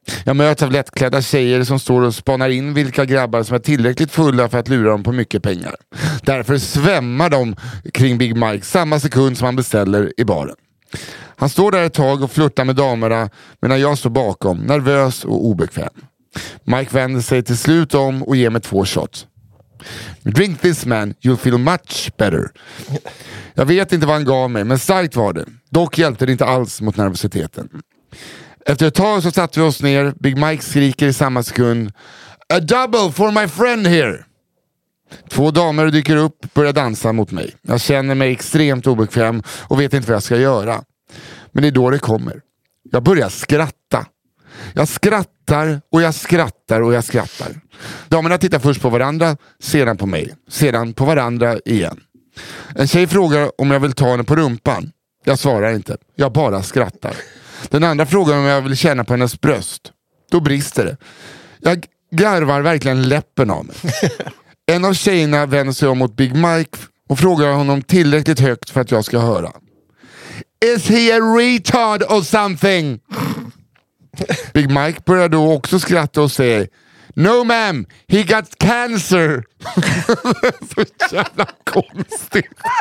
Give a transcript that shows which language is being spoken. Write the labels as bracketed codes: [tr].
[sv] Jag möts av lättklädda tjejer som står och spanar in vilka grabbar som är tillräckligt fulla för att lura dem på mycket pengar. Därför svämmar de kring Big Mike samma sekund som han beställer i baren. Han står där ett tag och flörtar med damerna medan jag står bakom, nervös och obekväm. Mike vänder sig till slut om och ger mig två shots. [en] Drink this man, you'll feel much better. [sv] Jag vet inte vad han gav mig, men starkt var det. Dock hjälpte det inte alls mot nervositeten. Efter ett tag så satte vi oss ner. Big Mike skriker i samma sekund, [en] a double for my friend here. [sv] Två damer dyker upp och börjar dansa mot mig. Jag känner mig extremt obekväm och vet inte vad jag ska göra. Men det är då det kommer. Jag börjar skratta. Jag skrattar och jag skrattar och jag skrattar. Damerna tittar först på varandra, sedan på mig, sedan på varandra igen. En tjej frågar om jag vill ta henne på rumpan. Jag svarar inte. Jag bara skrattar. Den andra frågan om jag vill känna på hennes bröst. Då brister det. Jag garvar verkligen läppen av mig. En av tjejerna vänder sig om mot Big Mike och frågar honom tillräckligt högt för att jag ska höra. [en] Is he a retard or something? [sv] Big Mike börjar då också skratta och säger, [en] no ma'am, he got cancer. [sv] Så jävla konstigt.